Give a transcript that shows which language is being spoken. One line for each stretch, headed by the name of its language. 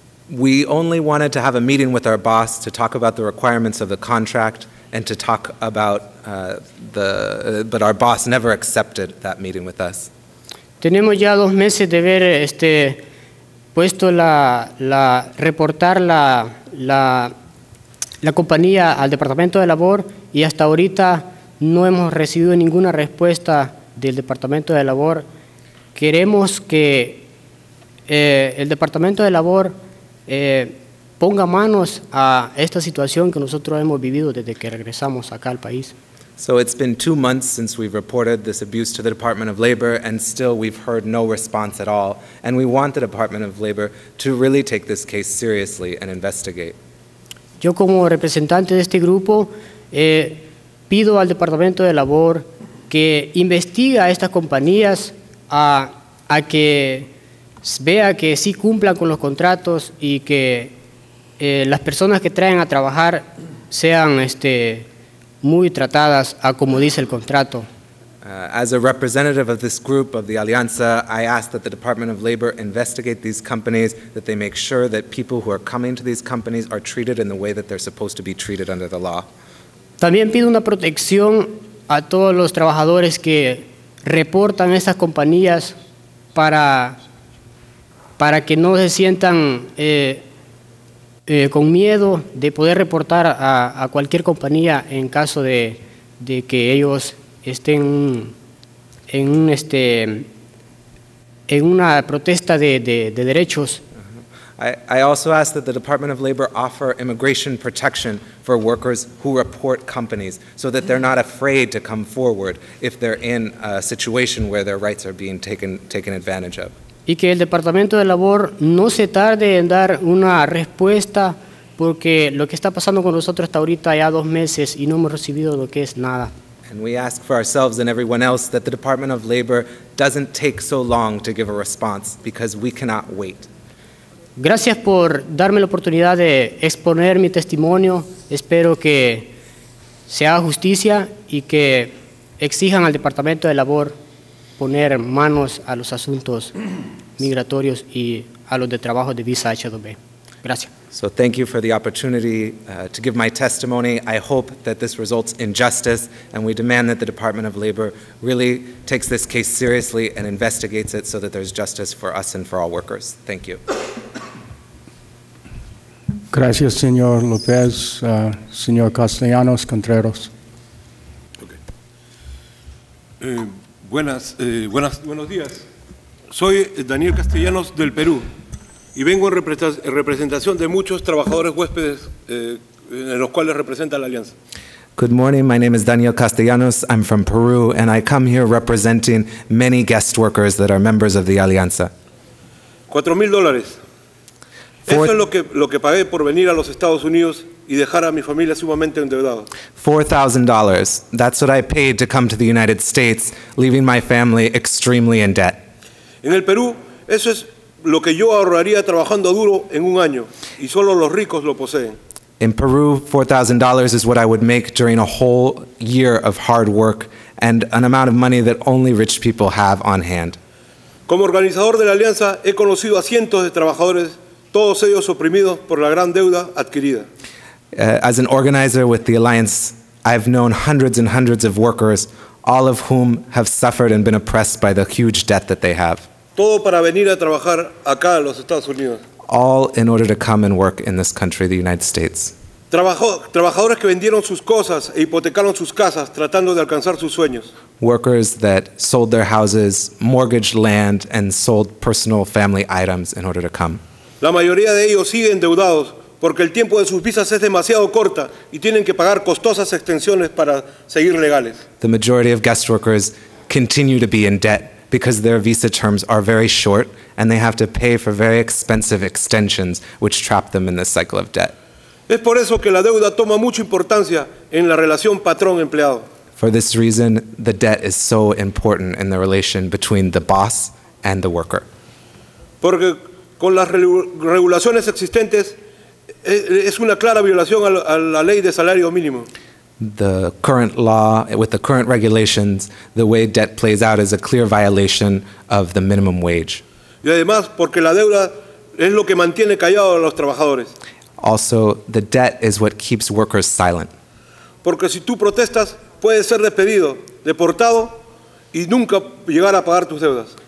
English: We only wanted to have a meeting with our boss to talk about the requirements of the contract and to talk about but our boss never accepted that meeting with us.
Spanish: Tenemos ya dos meses de ver puesto la reportar la compañía al Departamento de Labor y hasta ahorita no hemos recibido ninguna respuesta del Departamento de Labor. Queremos que el Departamento de Labor ponga manos a esta situación que nosotros hemos vivido desde que regresamos acá al país.
English: So it's been 2 months since we've reported this abuse to the Department of Labor, and still we've heard no response at all. And we want the Department of Labor to really take this case seriously and investigate.
Spanish: Yo como representante de este grupo pido al Departamento de Labor que investigue a estas compañías a que vea que sí cumplan con los contratos y que las personas que traen a trabajar sean muy tratadas a como dice el contrato.
English: As a representative of this group of the Alianza, I ask that the Department of Labor investigate these companies, that they make sure that people who are coming to these companies are treated in the way that they're supposed to be treated under the law.
Spanish: También pido una protección a todos los trabajadores que reportan estas compañías para que no se sientan con miedo de poder reportar a cualquier compañía en caso de que ellos estén en una protesta de derechos.
English: I also ask that the Department of Labor offer immigration protection for workers who report companies so that they're not afraid to come forward if they're in a situation where their rights are being taken advantage of.
Spanish: Y que el Departamento de Labor no se tarde en dar una respuesta porque lo que está pasando con nosotros hasta ahorita ya dos meses y no hemos recibido lo que es nada.
English: And we ask for ourselves and everyone else that the Department of Labor doesn't take so long to give a response because we cannot wait.
Spanish: Gracias por darme la oportunidad de exponer mi testimonio. Espero que se haga justicia y que exijan al Departamento de Labor poner manos a los asuntos migratorios y a los de trabajo de visa H2B. Gracias.
English: So thank you for the opportunity to give my testimony. I hope that this results in justice, and we demand that the Department of Labor really takes this case seriously and investigates it so that there's justice for us and for all workers. Thank you.
Spanish: Gracias, señor López, señor Castellanos Contreras.
English: Okay.
Spanish: Buenos días. Soy Daniel Castellanos del Perú y vengo en representación de muchos trabajadores huéspedes en los cuales representa la Alianza.
English: Good morning. My name is Daniel Castellanos. I'm from Peru and I come here representing many guest workers that are members of the Alianza.
Spanish: $4,000. Eso es lo que pagué por venir a los Estados Unidos y dejar a mi familia sumamente endeudado.
English: $4,000. That's what I paid to come to the United States, leaving my family extremely in debt.
Spanish: En el Perú, eso es lo que yo ahorraría trabajando duro en un año, y solo los ricos lo poseen.
English: In Peru, $4,000 is what I would make during a whole year of hard work and an amount of money that only rich people have on hand.
Spanish: Como organizador de la Alianza, he conocido a cientos de trabajadores, todos ellos oprimidos por la gran deuda adquirida.
English: As an organizer with the Alliance, I've known hundreds and hundreds of workers, all of whom have suffered and been oppressed by the huge debt that they have.
Spanish: Todo para venir a trabajar acá, a los Estados Unidos.
English: All in order to come and work in this country, the United States.
Spanish: Trabajadores que vendieron sus cosas e hipotecaron sus casas tratando de alcanzar sus sueños.
English: Workers that sold their houses, mortgaged land, and sold personal family items in order to come.
Spanish: La mayoría de ellos siguen endeudados porque el tiempo de sus visas es demasiado corta y tienen que pagar costosas extensiones para seguir legales.
English: The majority of guest workers continue to be in debt because their visa terms are very short and they have to pay for very expensive extensions which trap them in this cycle of debt.
Spanish: Es por eso que la deuda toma mucha importancia en la relación patrón-empleado.
English: For this reason, the debt is so important in the relation between the boss and the worker.
Spanish: Porque con las regulaciones existentes es una clara violación a la ley de salario mínimo.
English: The current law, with the current regulations, the way debt plays out is a clear violation of the minimum wage.
Spanish: Y además, porque la deuda es lo que mantiene callados a los trabajadores.
English: Also, the debt is what keeps workers silent.
Spanish: Porque si tú protestas, puedes ser despedido, deportado, y nunca llegar a pagar tus deudas.